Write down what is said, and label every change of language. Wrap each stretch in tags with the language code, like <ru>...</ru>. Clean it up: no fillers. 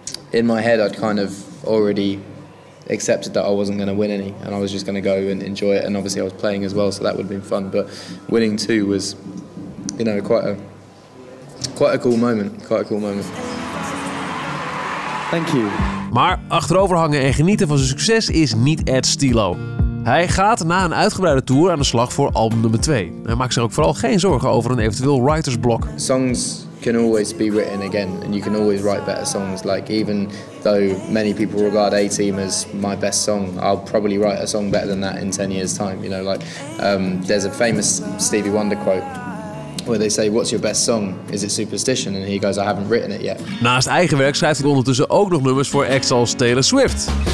<en>In my head, I'd kind of already accepted that I wasn't going to win any, and I was just going to go and enjoy it, and obviously I was playing as well, so that would have been fun, but winning two was, you know, quite a cool moment. Thank you.</en> <nl>Maar achteroverhangen en genieten van zijn succes is niet Ed Stilo. Hij gaat na een uitgebreide tour aan de slag voor album nummer 2. Hij maakt zich ook vooral geen zorgen over een eventueel writersblok.</nl> <en>Songs can always be written again and you can always write better songs. Like, even though many people regard A-Team as my best song, I'll probably write a song better than that in 10 years time. You know, like, there's a famous Stevie Wonder quote where they say, what's your best song? Is it Superstition? And he goes, I haven't written it yet.</en> <nl>Naast eigen werk schrijft hij ondertussen ook nog nummers voor EXO's Taylor Swift.</nl>